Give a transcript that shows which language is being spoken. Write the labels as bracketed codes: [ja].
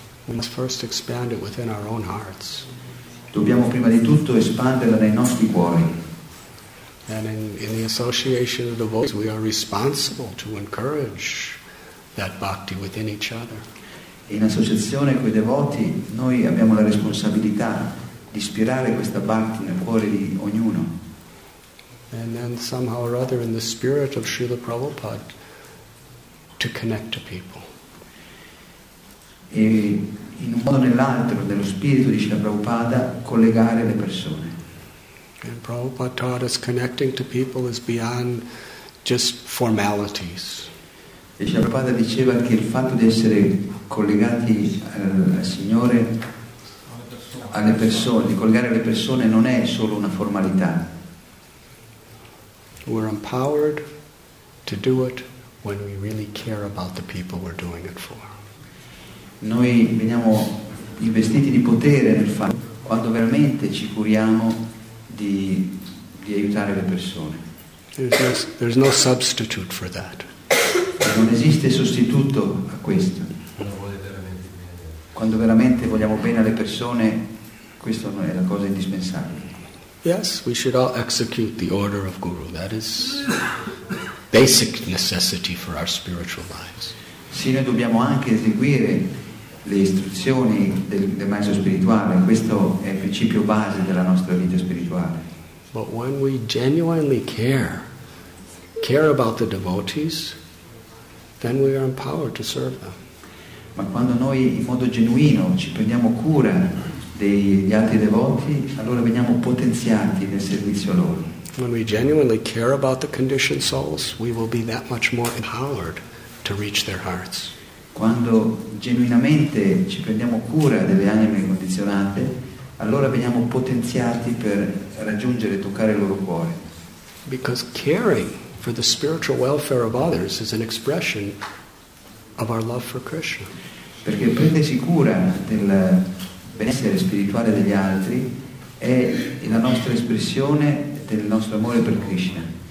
[en] we must first expand it within our own hearts. [it] Dobbiamo prima di tutto espanderla nei nostri cuori. [en] And in the association of devotees, we are responsible to encourage that bhakti within each other. [it] In associazione con i devoti, noi abbiamo la responsabilità di ispirare questa bhakti nel cuore di ognuno. [en] And then somehow or other in the spirit of Srila Prabhupada to connect to people. [it] E in un modo o nell'altro nello spirito di Srila Prabhupada collegare le persone. [en] And Prabhupada taught us connecting to people is beyond just formalities. [it] E Srila Prabhupada diceva che il fatto di essere collegati al Signore, alle persone, di collegare le persone, non è solo una formalità. [en] We're empowered to do it when we really care about the people we're doing it for. [it] Noi veniamo investiti di potere nel fare quando veramente ci curiamo di aiutare le persone. [en] There's no substitute for that. [it] Non esiste sostituto a questo. Quando veramente vogliamo bene alle persone, questo non è la cosa indispensabile. [en] Yes, we should all execute the order of Guru. That is basic necessity for our spiritual lives. [it] Sì, noi dobbiamo anche eseguire le istruzioni del maestro spirituale. Questo è il principio base della nostra vita spirituale. [en] But when we genuinely care about the devotees, then we are empowered to serve them. [it] Ma quando noi in modo genuino ci prendiamo cura degli altri devoti, allora veniamo potenziati nel servizio a loro. [en] When we genuinely care about the conditioned souls, we will be that much more empowered to reach their hearts. [it] Quando genuinamente ci prendiamo cura delle anime condizionate, allora veniamo potenziati per raggiungere e toccare il loro cuore. [en] Because caring for the spiritual welfare of others is an expression of our love for Krishna. [it] Perché prendersi cura del benessere spirituale degli altri è la nostra espressione del nostro amore per Krishna.